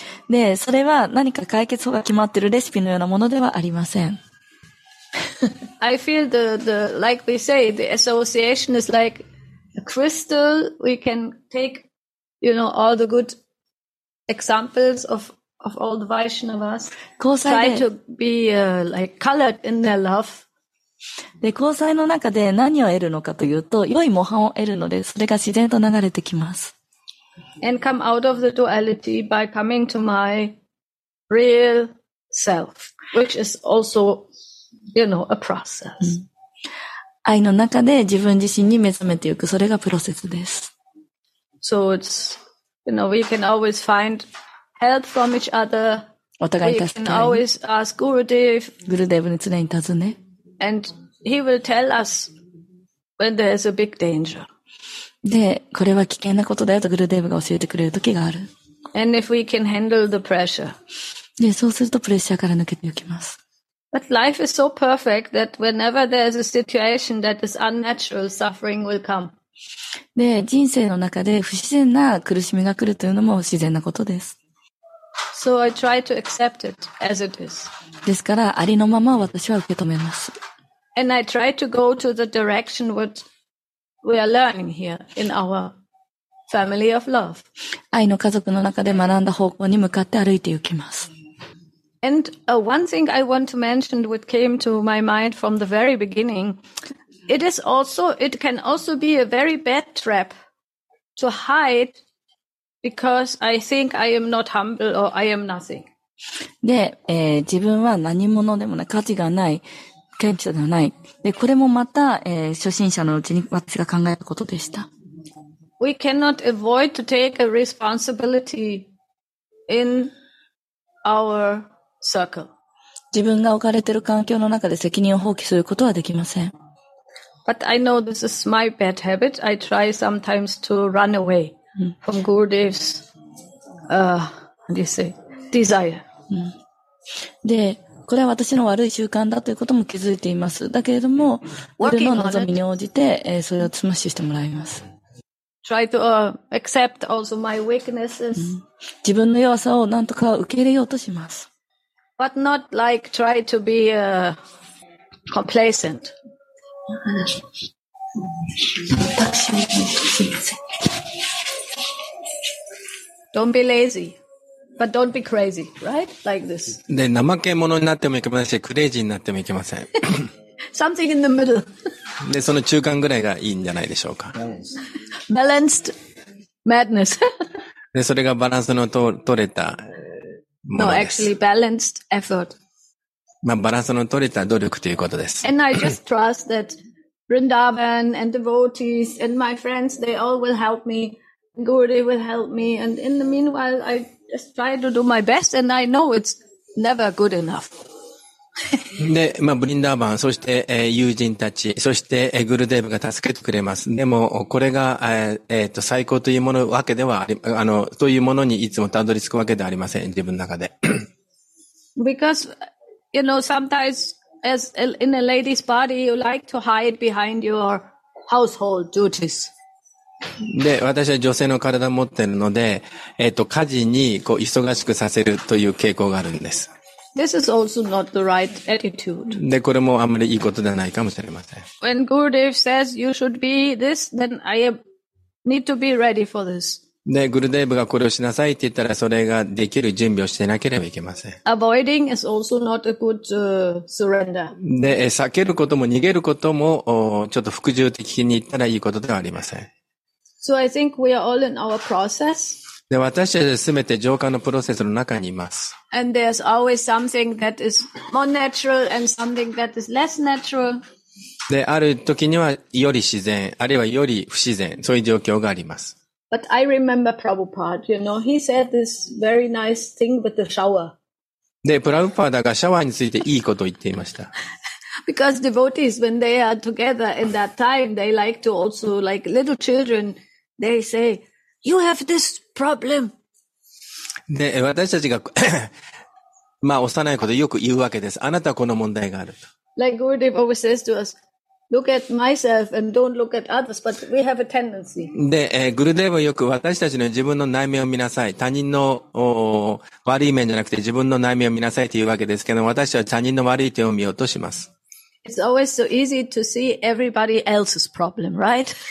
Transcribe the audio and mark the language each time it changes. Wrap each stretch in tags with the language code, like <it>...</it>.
<ja>で、それは何か解決法が決まってるレシピのようなものではありません。</ja> <en>I feel the like we say the association is like a crystal. We can take, you know, all the good examples of all the Vaishnavas. Try to be like colored in their love.</en> <ja>で、交際の中で何を得るのかというと、良い模範を得るので、それが自然と流れてきます。</ja> <en>And come out of the duality by coming to my real self, which is also. You know, a process.</en> <ja>愛の中で自分自身に目覚めていく、それがプロセスです。</ja> <en>So it's, you know, we can always find help from each other.</en> <ja>お互い助け。</ja> <en>We can always ask Gurudev.</en> <ja>Gurudev に常に尋ね。</ja> <en>And he will tell us when there is a big danger.</en> <ja>で、これは危険なことだよと Gurudev が教えてくれる時がある。</ja> <en>And if we can handle the pressure.</en> <ja>で、そうするとプレッシャーから抜けていきます。</ja> <en>But life is so perfect that whenever there is a situation that is unnatural, suffering will come.</en> <ja>で、人生の中で不自然な苦しみが来るというのも自然なことです。</ja> <en>So I try to accept it as it is.</en> <ja>ですから、ありのまま私は受け止めます。</ja> <en>And I try to go to the direction what we are learning here in our family of love.</en> <ja>愛の家族の中で学んだ方向に向かって歩いて行きます。</ja> <en>And one thing I want to mention which came to my mind from the very beginning, it can also be a very bad trap to hide because I think I am not humble or I am nothing.</en> <ja>で、自分は何者でもない、価値がない、謙虚ではない。で、これもまた、初心者のうちに私が考えたことでした。</ja> <en>We cannot avoid to take a responsibility in our Circle.</en> <ja>自分が置かれている環境の中で責任を放棄することはできません。</ja> <en>But I know this is my bad habit. I try sometimes to run away from Gurudev's, how do you say, desire.</en> <ja>で、これは私の悪い習慣だということも気づいています。だけれども、俺の望みに応じて、それをスマッシュしてもらいます。</ja> <en>Try to, accept also my weaknesses.</en> <ja>自分の弱さを何とか受け入れようとします。</ja> <en>But not like try to be, complacent.</en> <ja>私も、すいません。</ja> <en>Don't be lazy. But don't be crazy, right? Like this.</en> <ja>で、怠け者になってもいけませんし、クレイジーになってもいけません。</ja> <en>Something in the middle.</en> <ja>で、その中間ぐらいがいいんじゃないでしょうか。</ja> <en>Balanced madness.</en> <ja>で、それがバランスの取れたものです。</ja> <en>No, actually balanced effort.</en> <ja>まあ、バランスの取れた努力ということです。</ja> <en>And I just trust that Vrindavan and devotees and my friends, they all will help me. Guru will help me. And in the meanwhile, I... Just try to do my best, and I know it's never good enough.</en> <ja>で、まあ、ブリンダーバン、そして、友人たち、そして、グルデーブが助けてくれます。でも、これが、最高というものわけではあり、というものにいつもたどり着くわけではありません、自分の中で。</ja> <en>Because, you know, sometimes, as in a lady's body, you like to hide behind your household duties.</en> <ja>で、私は女性の体を持っているので、家事にこう忙しくさせるという傾向があるんです。</ja> <en>This is also not the right attitude.</en> <ja>で、これもあんまりいいことではないかもしれません。</ja> <en>When Gurudev says you should be this, then I need to be ready for this.</en> <ja>で、グルデーブがこれをしなさいって言ったら、それができる準備をしてなければいけません。</ja> <en>Avoiding is also not a good, surrender.</en> <ja>で、避けることも逃げることも、ちょっと服従的に言ったらいいことではありません。</ja> <en>So I think we are all in our process.</en> <ja>で、私たちはすべて浄化のプロセスの中にいます。</ja> <en>And there's always something that is more natural and something that is less natural.</en> <ja>で、ある時にはより自然、あるいはより不自然、そういう状況があります。</ja> <en>But I remember Prabhupada, you know, he said this very nice thing with the shower.</en> <ja>で、プラブパーダがシャワーについていいことを言っていました。</ja> <en>Because devotees, when they are together in that time, they like to also, like little children, they say, you have this problem.</en> <ja>で、私たちが、まあ、幼い子でよく言うわけです。あなたはこの問題があると。</ja> <en>Like Gurudev always says to us, look at myself and don't look at others, but we have a tendency.</en> <ja>で、Gurudev はよく私たちの自分の内面を見なさい。他人の悪い面じゃなくて自分の内面を見なさいというわけですけど、私は他人の悪い点を見ようとします。</ja> <en>It's always so easy to see everybody else's problem, right?</en>